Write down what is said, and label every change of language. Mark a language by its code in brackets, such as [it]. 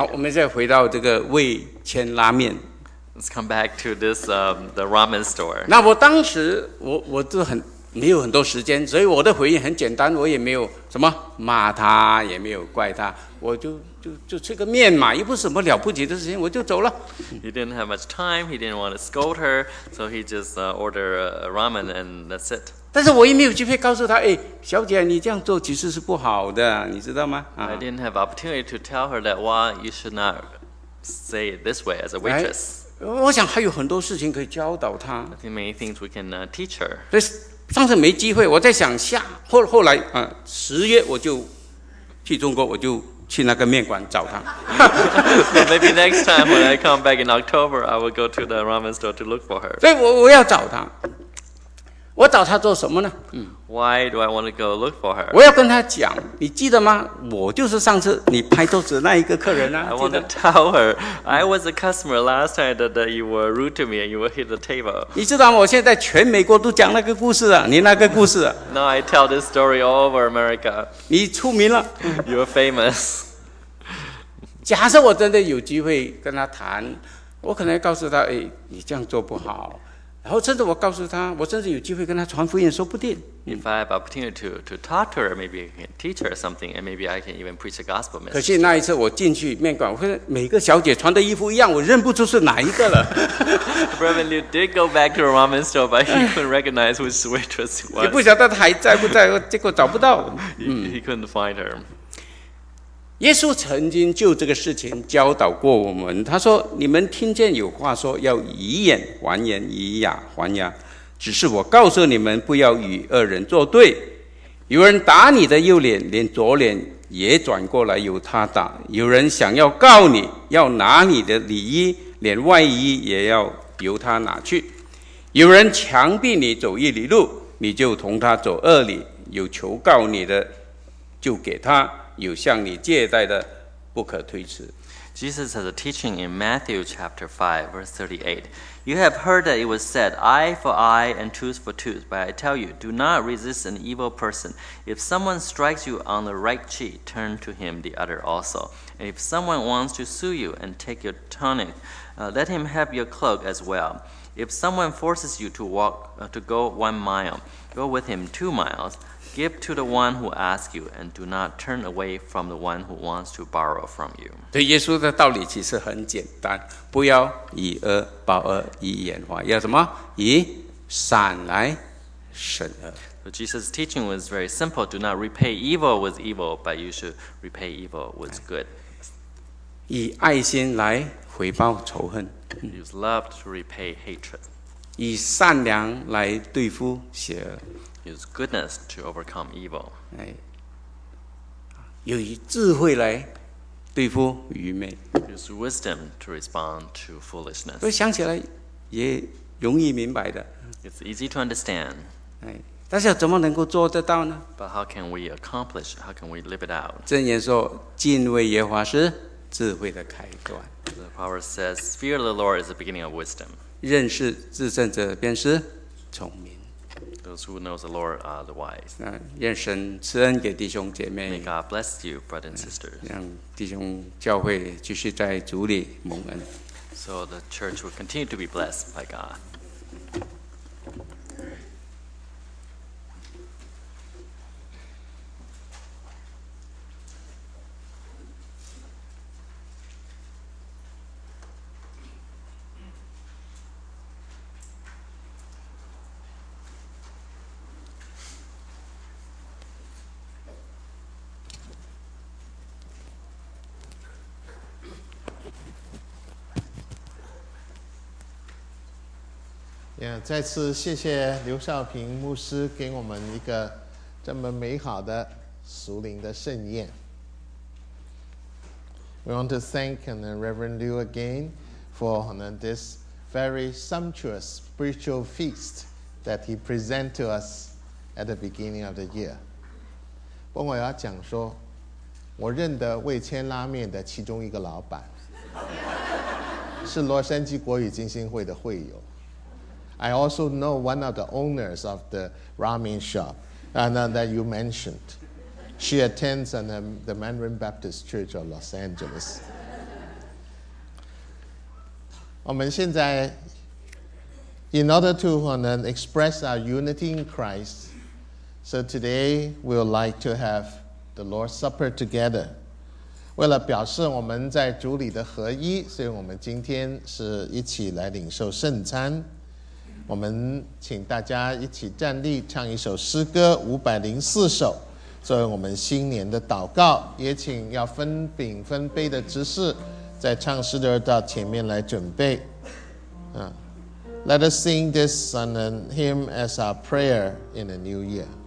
[zh] 好，我们再回到这个味千拉面。 [en] Let's come back to this the ramen store. [zh] 那我当时我就很没有很多时间，所以我的回应很简单，我也没有什么骂他，也没有怪他。我就吃个面嘛，又不是什么了不起的事情，我就走了。 [en] He didn't have much time. He didn't want to scold her, so he just ordered ramen and that's it. [zh] 但是我也没有机会告诉他，哎，小姐，你这样做其实是不好的，你知道吗？ [en] I didn't have opportunity to tell her that why you should not say it this way as a waitress. [zh] 我想还有很多事情可以教导他。 [en] I think many things we can teach her. [zh] 上次没机会，我在想下后来啊，十月我就去中国，我就。去那个面馆找他。 [en] Maybe next time when I come back in October, I will go to the ramen store to look for her. [zh] 所以我要找他。我找他做什么呢？ [en] Why do I want to go look for her? [zh] 我要跟他讲，你记得吗？我就是上次你拍桌子那一个客人啊。 [en] I want to tell her I was a customer last time that you were rude to me and you were hit the table. [zh] 你知道吗？我现在全美国都讲那个故事啊，你那个故事啊。 [en] Now I tell this story all over America. [zh] 你出名了。 [en] You're famous. [zh] 假设我真的有机会跟他谈，我可能告诉他，哎，你这样做不好。然后甚至我告诉他，我甚至有机会跟他传福音，说不定。 [en] If I have opportunity to talk to her, maybe I can teach her something, and maybe I can even preach a gospel message. [zh] 可是那一次我进去面馆，我每个小姐穿的衣服一样，我认不出是哪一个了。 [en] Reverend Liu did go back to a ramen store, but he couldn't recognize which waitress it was. [zh] 也不晓得她还在不在，结果找不到。 [en] He couldn't find her. [zh] 耶稣曾经就这个事情教导过我们，他说你们听见有话说要以眼还眼，以牙还牙，只是我告诉你们不要与恶人作对，有人打你的右脸，连左脸也转过来由他打，有人想要告你，要拿你的里衣，连外衣也要由他拿去，有人强逼你走一里路，你就同他走二里，有求告你的就给他，有向你借贷的不可推迟。 [en] Jesus has a teaching in Matthew chapter 5, verse 38. You have heard that it was said, eye for eye and tooth for tooth. But I tell you, do not resist an evil person. If someone strikes you on the right cheek, turn to him the other also. And if someone wants to sue you and take your tunic, let him have your cloak as well. If someone forces you to walk, to go 1 mile, go with him 2 miles. Give to the one who asks you, and do not turn away from the one who wants to borrow from you. [zh] 对耶稣的道理其实很简单，不要以讹报讹，以眼还眼，要什么？以善来审恶。 [en] So Jesus' teaching was very simple: do not repay evil with evil, but you should repay evil with good. [zh] 以爱心来回报仇恨。 [en] Use love to repay hatred. [zh] 以善良来对付邪恶。 [en] Use goodness to overcome evil. [zh] 用智慧来对付愚昧。 [en] Use wisdom to respond to foolishness. [zh] 所以想起来也容易明白的。 [en] It's easy to understand. [zh] 但是怎么能够做得到呢？ [en] But how can we accomplish? How can we live it out? [zh] 箴言说，敬畏耶和华是智慧的开端。 [en] The proverb says, fear the Lord is the beginning of wisdom. [zh] 认识至圣者便是聪明。 [en] Those who know the Lord are the wise. [zh] 愿神赐恩给弟兄姐妹。 [en] May God bless you, brothers and sisters. [zh] 让弟兄教会继续在主里蒙恩。 [en] So the church will continue to be blessed by God. [zh] Yeah, 再次谢谢刘少平牧师给我们一个这么美好的属灵的盛宴。 [en] We want to thank Reverend Liu again for this very sumptuous spiritual feast that he presented to us at the beginning of the year. [zh] 不过我要讲说，我认得味千拉面的其中一个老板，是洛杉矶国语金星会的会友。 [en] I also know one of the owners of the ramen shop that you mentioned. She attends the Mandarin Baptist Church of Los Angeles. [zh] 我们现在 [en] in order to express our unity in Christ, so today we would like to have the Lord's Supper together. [zh] 为了表示我们在主里的合一，所以我们今天是一起来领受圣餐。我们请大家一起站立，唱一首诗歌504首，作为我们新年的祷告。也请要分饼分杯的执事在唱诗的时候到前面来准备。 [en] Let us sing this hymn as our prayer in the new year.